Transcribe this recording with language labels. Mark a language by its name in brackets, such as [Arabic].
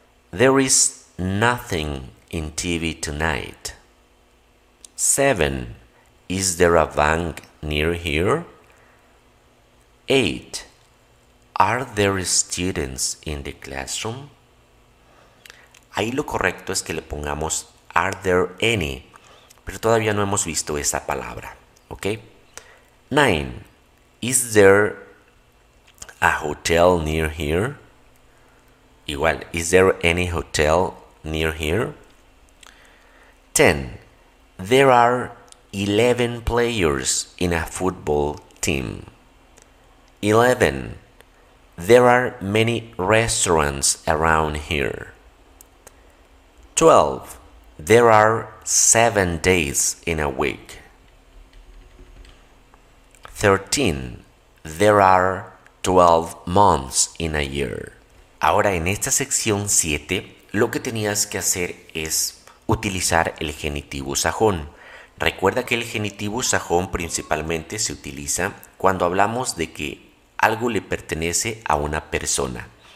[English] There is nothing in TV tonight. 7. Is there a bank near here? 8. Are there students in the classroom? [Spanish] Ahí lo correcto es que le pongamos [English] are there any, [Spanish] pero todavía no hemos visto esa palabra, ¿ok? [English] 9. Is there a hotel near here? Igual, is there any hotel near here? 10. There are 11 players in a football team. 11. There are many restaurants around here. 12. There are 7 days in a week. 13. There are 12 months in a year. [Spanish] Ahora en esta sección 7, lo que tenías que hacer es utilizar el genitivo sajón. Recuerda que el genitivo sajón principalmente se utiliza cuando hablamos de que algo le pertenece a una persona.